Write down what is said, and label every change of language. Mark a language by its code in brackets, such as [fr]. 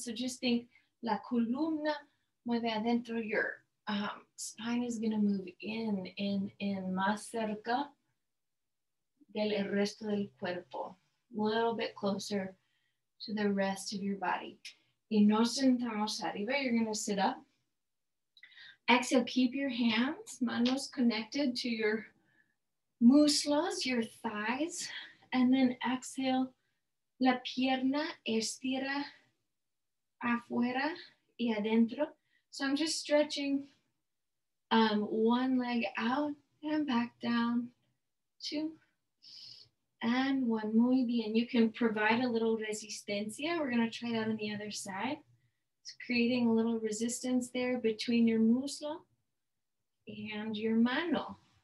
[en] So just think [es] la columna mueve adentro, [en] your spine is gonna move in, [es] más cerca del resto del cuerpo, [en] a little bit closer to the rest of your body. [es] Y nos sentamos arriba, [en] you're gonna sit up. Exhale, keep your hands, manos connected to your muslos, your thighs, and then exhale. [es] La pierna estira afuera y adentro. [en] So I'm just stretching one leg out and back down. Two and one. [es] Muy bien. [en] You can provide a little resistencia. We're going to try that on the other side. It's creating a little resistance there between your muslo and your mano.